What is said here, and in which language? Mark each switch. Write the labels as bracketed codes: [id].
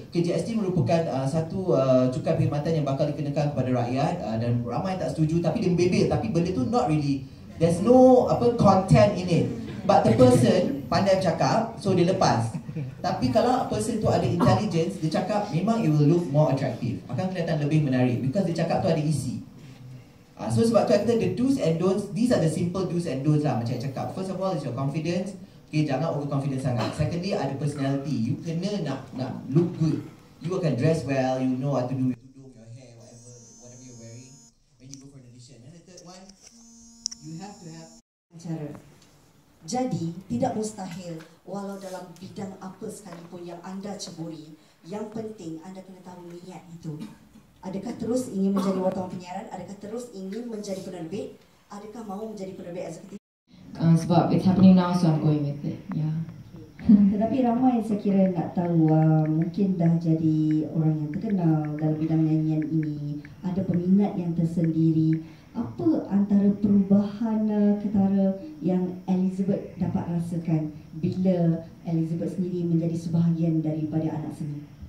[ms] Okay, GST merupakan satu cukai perkhidmatan yang bakal dikenakan kepada rakyat, dan ramai tak setuju, tapi dia membebel. Tapi benda tu [en] not really, there's no apa content in it. But the person [ms] pandai cakap, [en] so dia lepas. Tapi kalau person tu ada intelligence, [ms] dia cakap memang [en] it will look more attractive. [ms] Akan kelihatan lebih menarik because dia cakap tu ada isi. So sebab tu kata the do's and don'ts, [en] these are the simple do's and don'ts [ms] lah macam yang cakap. [en] First of all is your confidence. Okay, [ms] jangan overconfident sangat. [en] Secondly, ada personality. You [ms] kena nak [en] look good. You akan dress well, you know what to do with your tudung, your hair, whatever you're wearing when you go for an audition. And the third one, you have to have [ms] acara. Jadi, tidak mustahil walau dalam bidang apa sekalipun yang anda ceburi, yang penting anda kena tahu niat itu. Adakah terus ingin menjadi wartawan penyiaran? Adakah terus ingin menjadi penerbit? Adakah mahu menjadi penerbit eksekutif? [en] Sebab it's happening now, so I'm going with it. Yeah. [ms] Tetapi ramai yang saya kira nak tahu, mungkin dah jadi orang yang terkenal dalam bidang nyanyian ini, ada peminat yang tersendiri. Apa antara perubahan ketara yang Elizabeth dapat rasakan bila Elizabeth sendiri menjadi sebahagian daripada anak seni?